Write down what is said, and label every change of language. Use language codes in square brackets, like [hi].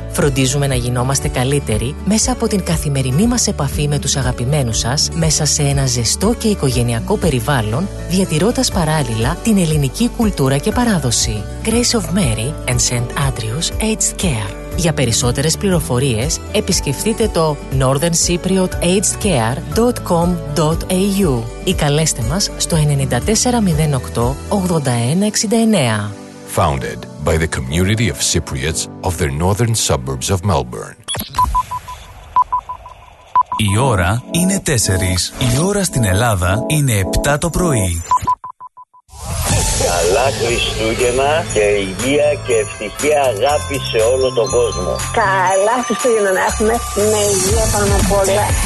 [el] Φροντίζουμε να γινόμαστε καλύτεροι μέσα από την καθημερινή μας επαφή με τους αγαπημένους σας, μέσα σε ένα ζεστό και οικογενειακό περιβάλλον, διατηρώντας παράλληλα την ελληνική κουλτούρα και παράδοση. Grace of Mary and St. Andrew's Aged Care. Για περισσότερες πληροφορίες, επισκεφτείτε το northerncypriotagedcare.com.au ή καλέστε μας στο 9408-8169. [en] Founded by the community of Cypriots of the northern suburbs of Melbourne. [el] Η ώρα είναι 4. Η ώρα στην Ελλάδα είναι 7 το πρωί. Καλά Χριστούγεννα και υγεία και ευτυχία αγάπη σε όλο τον κόσμο. Καλά Χριστούγεννα να έχουμε, με υγεία πάνω απ' όλα.